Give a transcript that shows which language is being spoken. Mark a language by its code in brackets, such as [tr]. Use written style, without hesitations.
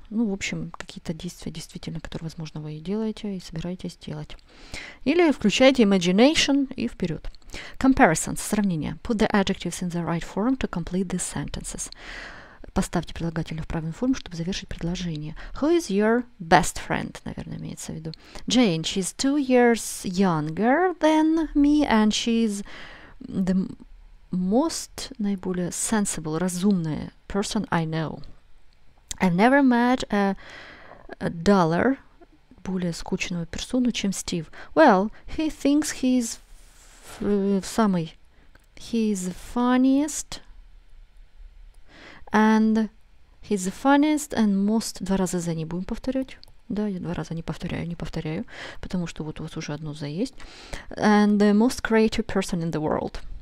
[ru] Ну, в общем, какие-то действия, действительно, которые, возможно, вы и делаете, и собираетесь делать. Или включайте imagination и вперед. Comparisons, сравнение. [en] Put the adjectives in the right form to complete the sentences. [ru] Поставьте прилагательное в правильную форму, чтобы завершить предложение. [en] Who is your best friend? [ru] Наверное, имеется в виду. [en] Jane, she's 2 years younger than me, and she's the most, наиболее sensible, разумная person I know. I've never met a duller, [ru] более скучную персону, чем [en] Steve. Well, he thinks he's he's the funniest and most... [ru] Два раза за ней будем повторять. Да, я два раза не повторяю, потому что вот у вас уже одно за есть. [en] And the most creative person in the world.